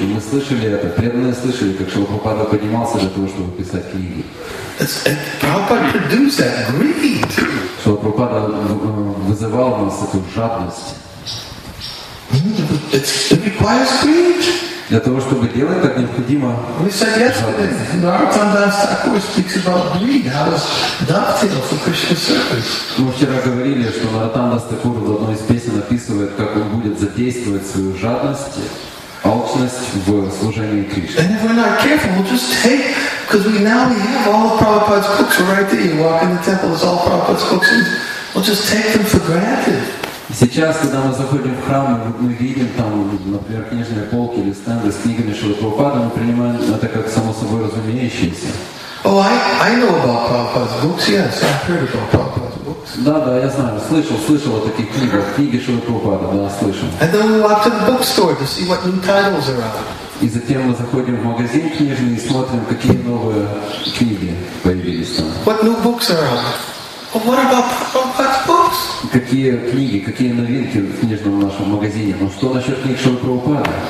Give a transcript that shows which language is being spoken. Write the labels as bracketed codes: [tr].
[ru] Мы слышали это, преданные слышали, как Шрила Прабхупада поднимался для того, чтобы писать книги. [en] Prabhupada produced that greed. [ru] Шрила Прабхупада вызывал в нас эту жадность. [en] It requires greed. [ru] Для того, чтобы делать, так необходимо. [en] We said yesterday, Narottam Das Thakur speaks about greed. How does dovetail for Krishna service? [ru] Мы вчера говорили, что Narottam Das Thakur в одной из песен описывает, как он будет задействовать свою жадность, алчность в служении Кришне. [en] And if we're not careful, we'll just take, because we now we have all of Prabhupada's books right there. You walk in the temple, there's all Prabhupada's books. We'll just take them for granted. [ru] Сейчас, когда мы заходим в храм, мы видим там, например, книжные полки или стенды с книгами Шрилы Прабхупады, мы принимаем это как само собой разумеющееся. [en] Oh, I know about Prabhupada's books, yes, I've heard about Prabhupada's books. [ru] Да, я знаю, слышал о таких книгах, книги Шрилы Прабхупады, да, слышал. [en] And then we walk to the bookstore to see what new titles are out. [ru] И затем мы заходим в магазин книжный и смотрим, какие новые книги появились там. [en] What new books are out? What about books? [ru] Какие книги, какие новинки в книжном нашем магазине? Ну что насчет книг Шрилы Прабхупады?